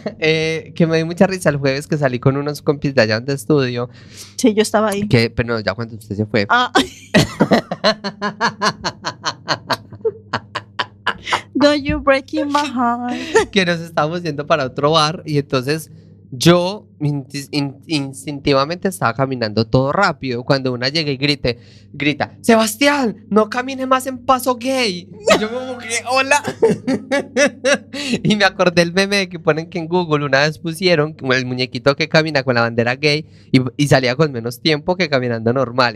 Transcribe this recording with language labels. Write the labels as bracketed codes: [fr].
[es] Que me di mucha risa el jueves que salí con unos compis de allá de estudio. Sí, yo estaba ahí. Que, pero no, ya cuando usted se fue. Ah. [en] No, you're breaking my heart. [es] Que nos estábamos yendo para otro bar y entonces yo instintivamente estaba caminando todo rápido cuando una llega y grita, Sebastián, no camine más en paso gay. Y yo como que, hola. Y me acordé el meme que ponen que en Google una vez pusieron el muñequito que camina con la bandera gay y salía con menos tiempo que caminando normal.